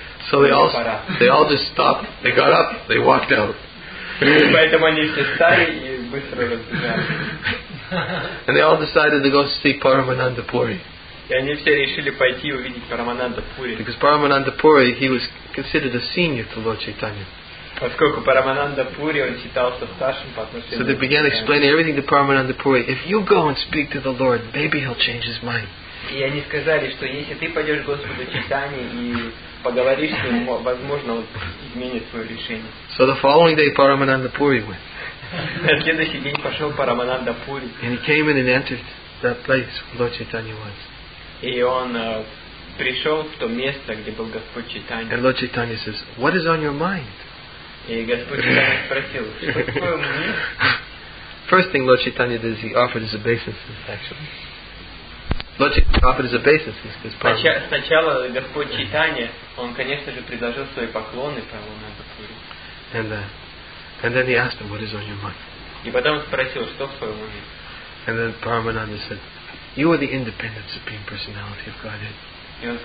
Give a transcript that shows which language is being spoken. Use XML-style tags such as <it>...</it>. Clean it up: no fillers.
<en>So they all just stopped, they got up, they walked out. And they all decided to go see Paramananda Puri.</en> <ru>И они все решили пойти увидеть Парамананда Пури.</ru> <en>Because Парамананда Пури, he was considered a senior to Lord Chaitanya.</en> <ru>Поскольку Парамананда Пури, он считался старшим по отношению.</ru> <en>So they began explaining everything to Парамананда Пури. If you go and speak to the Lord, maybe he'll change his mind.</en> <ru>И они сказали, что если ты пойдешь к Господу Чайтанье и поговоришь с ним, возможно, он изменит свое решение.</ru> <en>So the following day, Парамананда Пури went.</en> <ru>На следующий день пошел Парамананда Пури.</ru> <en>And he came in and entered that place where Lord Chaitanya was.</en> <ru>И он пришел в то место, где был Господь Чайтанья.</ru> <en>And Lord Chaitanya says, "What is on your mind?"</en> <ru>И Господь Чайтанья спросил, что твое мнение?</ru> <en>First thing Lord Chaitanya did is he offered his obeisances, actually. Lord Chaitanya offered his obeisances.</en> <ru>Сначала Господь Чайтанья, он, конечно же, предложил свои поклоны Парамананда Пури.</ru> <en>And then he asked him, "What is on your mind?"</en> <ru>И потом спросил, что в твоем уме?</ru> <en>And then Парамананда said, "You are the independent supreme personality of Godhead."</en>